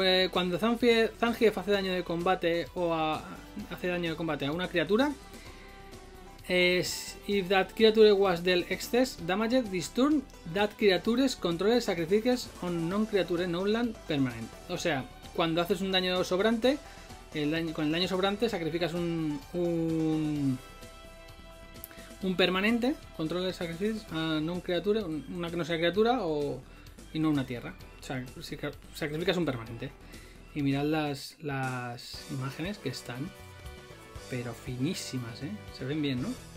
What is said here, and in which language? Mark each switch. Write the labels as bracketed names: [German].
[Spanish] Cuando Zangief hace daño de combate a una criatura. [English] Es, if that creature was dealt excess damage this turn, that creature's controller sacrifices on non-creature non-land permanent. [Spanish] O sea, cuando haces un daño sobrante, con el daño sobrante sacrificas un permanente, [English] controller sacrifices a non-creature, [Spanish] una que no sea criatura y no una tierra. O sea, sacrificas un permanente. Y mirad las imágenes que están, pero finísimas, ¿eh? Se ven bien, ¿no?